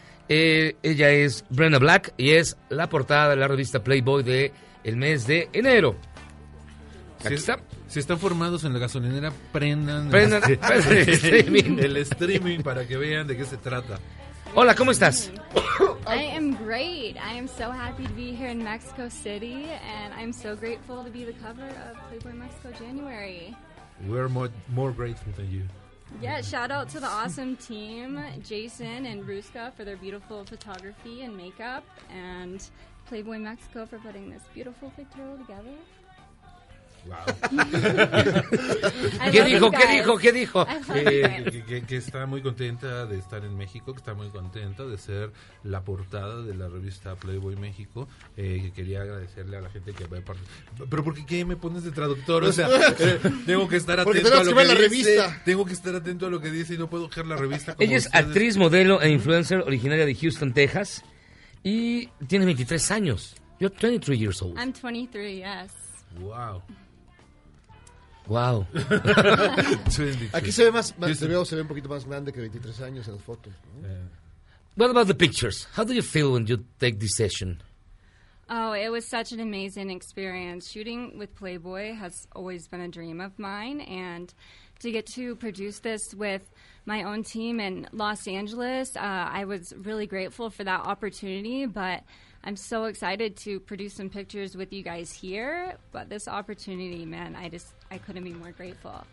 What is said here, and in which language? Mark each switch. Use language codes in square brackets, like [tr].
[es] Ella es Brenna Black y es la portada de la revista Playboy de el mes de enero. Aquí está. Si están formados en la gasolinera, prendan, el streaming para que vean de qué se trata. Hola, ¿cómo estás? [en] I am great. I am so happy to be here in Mexico City, and I'm so grateful to be the cover of Playboy Mexico January. We're more grateful than you. Yeah, shout out to the awesome team, Jason and Ruska, for their beautiful photography and makeup, and Playboy Mexico for putting this beautiful pictorial together. Wow. [es] ¿Qué dijo? Que está muy contenta de estar en México, que está muy contenta de ser la portada de la revista Playboy México. Que quería agradecerle a la gente que va a participar. ¿Pero por qué me pones de traductor? O sea, tengo que estar atento a lo que la dice. Revista. Tengo que estar atento a lo que dice y no puedo dejar la revista. Como ella es ustedes. Actriz, modelo e influencer originaria de Houston, Texas. Y tiene 23 años. [en] You're 23 years old. I'm 23, yes. Wow. Wow. [es] Aquí se ve más se ve un poquito más grande que 23 años en las fotos. [en] Yeah. What about the pictures? How do you feel when you take this session? Oh, it was such an amazing experience. Shooting with Playboy has always been a dream of mine, and to get to produce this with my own team in Los Angeles, I was really grateful for that opportunity, but I'm so excited to produce some pictures with you guys here, but this opportunity, man, I couldn't be more grateful.